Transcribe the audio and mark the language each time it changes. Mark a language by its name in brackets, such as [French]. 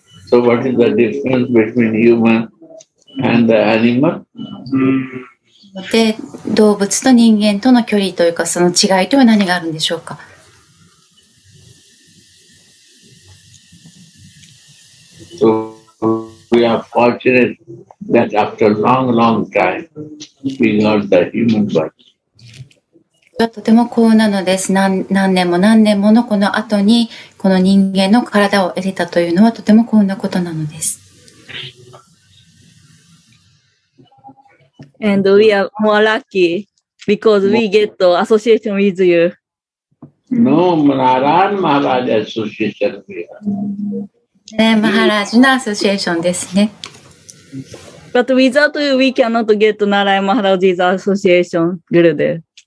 [English] So what is the difference between human and the animal? [Japanese] で、動物と人間との距離というか、その違いとは何があるんでしょうか。 [English] So we are fortunate that after long, long time, we got the human body. [Japanese] とても幸運なのです。何年ものこの後にこの人間の体を得れたというのはとても幸運なことなのです。 [English] And we are more lucky because we get association with you. No, Maharaj, Maharaj association. [Japanese] ね、Maharaj のアソシエーションですね。 [English] But without you, we cannot get Narayan Maharaj's association, Gurudev.